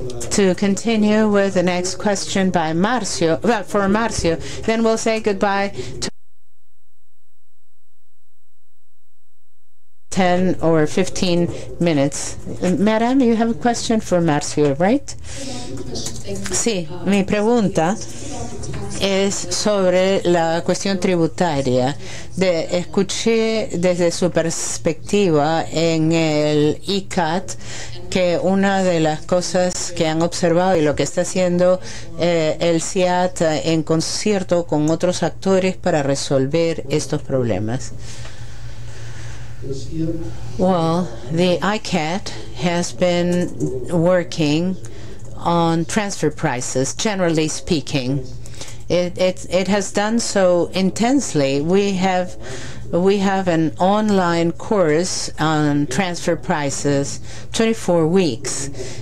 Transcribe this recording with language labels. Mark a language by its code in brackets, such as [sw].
[en] To continue with the next question by Marcio, for Marcio, then we'll say goodbye to 10 or 15 minutes. Madam, you have a question for Marcio, right? [es] Sí, mi pregunta es sobre la cuestión tributaria. Escuché desde su perspectiva en el ICAT que una de las cosas que han observado y lo que está haciendo el CIAT en concierto con otros actores para resolver estos problemas. [en] Well, the ICAT has been working on transfer prices, generally speaking. It has done so intensely. We have an online course on transfer prices, 24 weeks.